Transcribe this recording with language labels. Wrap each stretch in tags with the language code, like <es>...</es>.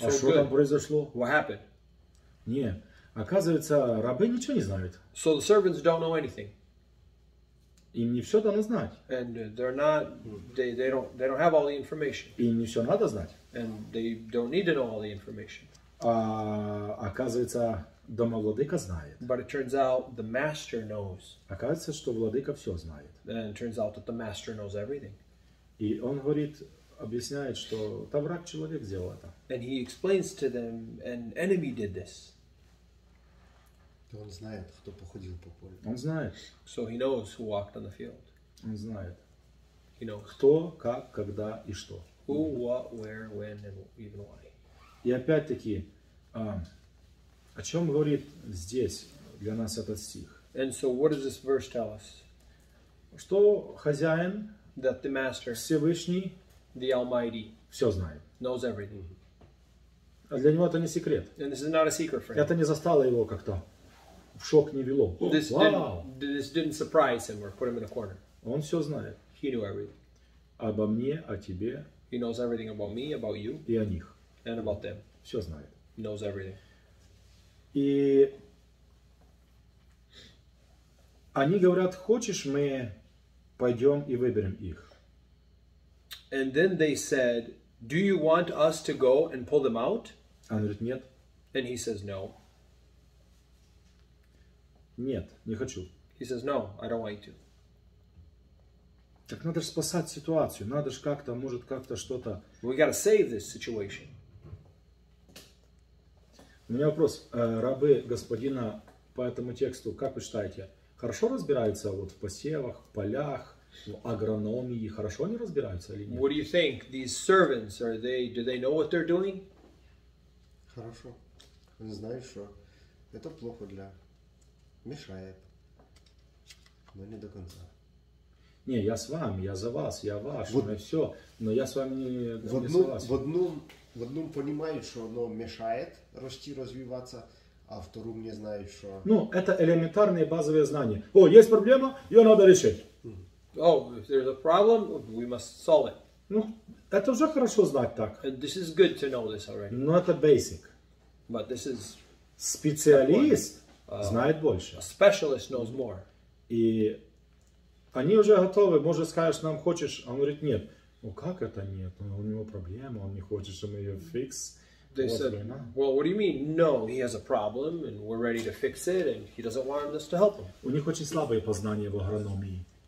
<en>good.</en> <ru>А что там произошло?</ru> <en>What happened?</en> <ru>Нет. Оказывается, рабы ничего не знают.</ru> <en>So the servants don't know anything.</en> <ru>Им не все дано знать.</ru> <en>And they're not, they don't have all the information.</en> <ru>Им не все надо знать.</ru> <en>And they don't need to know all the information.</en> <ru>А оказывается, домовладыка знает.</ru> <en>But it turns out the master knows.</en> <ru>Оказывается, что владыка все знает.</ru> <en>And it turns out that the master knows everything.</en> <ru>И он говорит, объясняет, что там враг человек сделал это.</ru> <en>And he explains to them, an enemy did this.</en> <ru>Он знает, кто походил по полю. Он знает.</ru> <en>So he knows who walked on the field.</en> <ru>Он знает.</ru> <en>He knows.</en> <ru>Кто, как, когда и что.</ru> <en>Who, what, where, when, and even why.</en> <ru>И опять-таки, о чем говорит здесь для нас этот стих?</ru> <en>And so what does this verse tell us?</en> <ru>Что хозяин,</ru> <en>that the master,</en> <ru>Всевышний,</ru> <en>the Almighty,</en> <ru>все знает.</ru> <en>Knows everything.</en> <ru>А для него это не секрет.</ru> <en>And this is not a secret for him.</en> <ru>Это не застало его как-то. В шок не вело.</ru> <en>This, wow. This didn't surprise him or put him in a corner.</en> <ru>Он все знает.</ru> <en>He knew everything.</en> <ru>Обо мне, о тебе.</ru> <en>He knows everything about me, about you.</en> <ru>И о них.</ru> <en>And about them.</en> <ru>Все знает.</ru> <en>He knows everything.</en> <ru>И они говорят, хочешь, мы пойдем и выберем их.</ru> <en>And then they said, do you want us to go and pull them out?</en> <ru>Он говорит, нет.</ru> <en>And he says, no.</en> <ru>Нет, не хочу.</ru> <en>He says, no, I don't want you to.</en> <ru>Так надо же спасать ситуацию. Надо же как-то, может, как-то что-то...</ru> <en>We gotta save this situation.</en> <ru>У меня вопрос. Рабы господина по этому тексту, как вы считаете, хорошо разбираются вот в посевах, в полях, в агрономии? Хорошо они разбираются или нет?</ru> <en>What do you think? These servants, are they, do they know what they're doing?</en> <ru>Хорошо. Они знают, что это плохо для... Мешает, но не до конца. Не, я с вами, я за вас, я ваш, вот, но все, но я с вами не, в одну, не с вами. В одном понимает, что оно мешает расти, развиваться, а втором не знает, что... Ну, это элементарные базовые знания. О, есть проблема, ее надо решить.</ru> <en>Oh, if there's a problem, we must solve it.</en> <ru>Ну, это уже хорошо знать так.</ru> <en>And this is good to know this already.</en> <ru>Но это basic.</ru> <en>But this is...</en> <ru>Специалист... Знает больше.</ru> <en>A specialist knows more.</en> <ru>И они уже готовы. Может, скажешь, нам хочешь. Он говорит, нет. Ну как это нет? У него проблема. Он не хочет, чтобы мы ее fix.</ru> <en>They said, well, what do you mean? No, he has a problem and we're ready to fix it and he doesn't want us to help him.</en> <ru>У них очень слабые познания в агрономии.</ru>